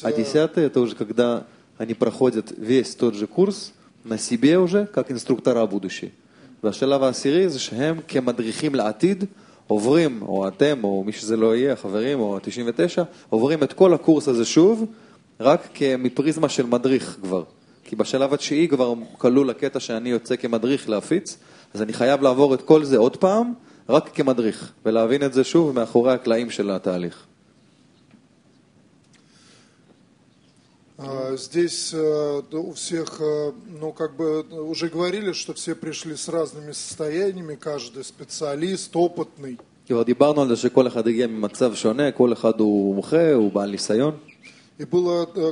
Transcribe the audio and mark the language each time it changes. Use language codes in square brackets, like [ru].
[ru] А десятое, это уже когда они проходят весь тот же курс на себе уже, как инструктора будущего. [he] והשלב העשירי זה שהם כמדריכים לעתיד עוברים, או אתם, או מי שזה לא יהיה, חברים, או 99, עוברים את כל הקורס הזה שוב, רק כמפריזמה של מדריך כבר. כי בשלב התשיעי כבר כלול הקטע שאני יוצא כמדריך להפיץ, אז אני חייב לעבור את כל זה עוד פעם, רק כמדריך, ולהבין את זה שוב מאחורי הקלעים של התהליך. [ru] Здесь у всех, ну, как бы уже говорили, что все пришли с разными состояниями, каждый специалист, опытный. И было